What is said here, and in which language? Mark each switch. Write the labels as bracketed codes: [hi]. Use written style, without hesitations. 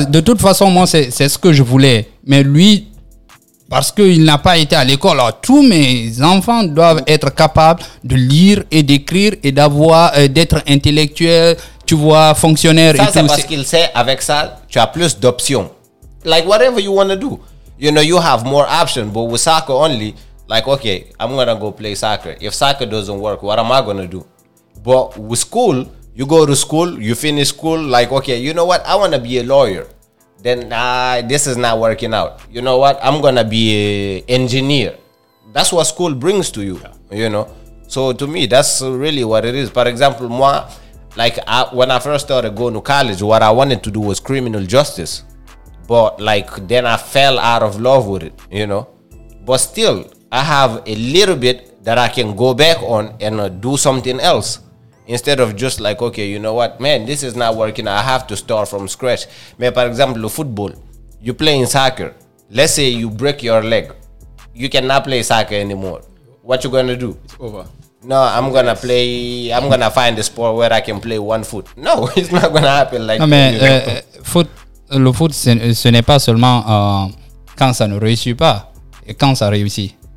[fr] De toute façon, moi, c'est ce que je voulais. Mais lui, parce qu'il n'a pas été à l'école, alors tous mes enfants doivent être capables de lire et d'écrire et d'être intellectuel, tu vois, fonctionnaire ça, et tout. Ça, c'est parce qu'il sait, avec ça, tu as plus d'options. [en] Like, whatever you want to do. You know, you have more options, but with soccer only, like, okay, I'm going to go play soccer. If soccer doesn't work, what am I going to do? But with school, you go to school, you finish school, like, okay, you know what? I want to be a lawyer. Then, this is not working out. You know what? I'm going to be an engineer. That's what school brings to you, you know? So, to me, that's really what it is. For example, moi, like, when I first started going to college, what I wanted to do was criminal justice. But, like, then I fell out of love with it, you know? But still, I have a little bit that I can go back on and do something else. Instead of just like, okay, you know what, man, this is not working. I have to start from scratch. [fr] Mais par exemple, le football, [en] you play in soccer. Let's say you break your leg. You cannot play soccer anymore. What you going to do? It's over. No, I'm going to play, I'm going to find a sport where I can play one foot. No, it's not going to happen. Like [fr] non, mais foot, le foot, ce n'est pas seulement quand ça ne réussit pas, et quand ça réussit.